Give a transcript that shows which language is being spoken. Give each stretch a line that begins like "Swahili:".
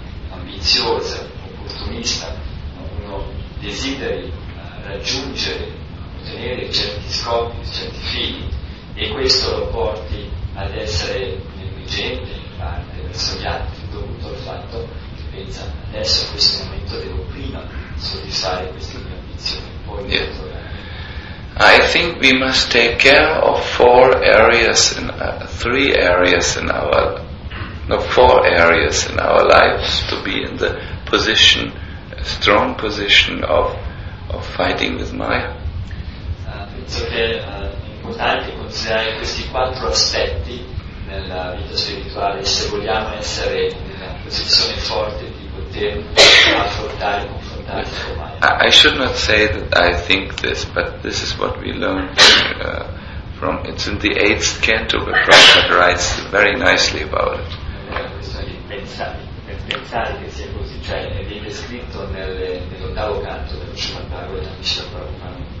Italian: ambiziosa, opportunista, uno desideri raggiungere, ottenere certi scopi, certi fini, e questo lo porti ad essere negligente in parte verso gli altri, dovuto al fatto che pensa adesso in questo momento devo prima soddisfare queste mie ambizioni, poi yeah.
English: I think we must take care of four areas in our lives to be in the position, strong position of fighting with Maya.
Italian: Penso che è importante considerare questi quattro aspetti nella vita spirituale se vogliamo essere in una posizione forte di poter affrontare, confrontarsi con Maya.
English: I should not say that I think this, but this is what we learned from, it's in the 8th canto, where Prabhupada writes very nicely about it.
Italian: Pensare che sia così, cioè viene scritto nell'ottavo canto del Srimad Bhagavatam di Srila Prabhupada.